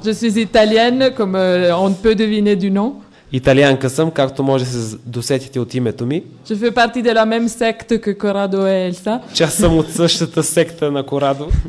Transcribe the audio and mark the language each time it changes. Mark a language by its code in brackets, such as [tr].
[fr] Je suis italienne comme on peut deviner du nom. [bg] Италианка съм, както може да се досетите от името ми. [fr] Je fais partie de la même secte que Corrado et Elsa. [bg] Че съм от същата секта на Корадо.